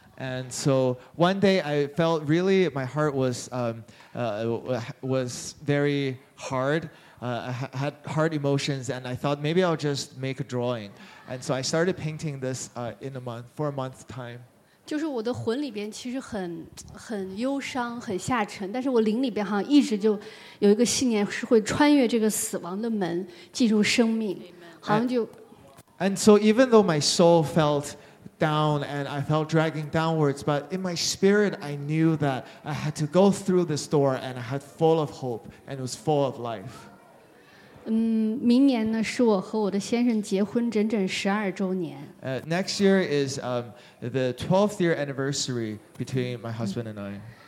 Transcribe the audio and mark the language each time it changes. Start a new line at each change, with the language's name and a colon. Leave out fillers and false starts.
English: And so one day I felt really my heart was very hard. I had hard emotions, and I thought maybe I'll just make a drawing. And so I started painting this in a month, 4 months' time.
Chinese: 就是我的魂里边其实很忧伤、很下沉，但是我灵里边好像一直就有一个信念是会穿越这个死亡的门进入生命，好像就。
English: And so even though my soul felt down and I felt dragging downwards, but in my spirit I knew that I had to go through this door, and I had full of hope, and it was full of life.
Chinese: 明年呢，是我和我的先生结婚整整12周年。
English: Next year is the 12th year anniversary between my husband and I.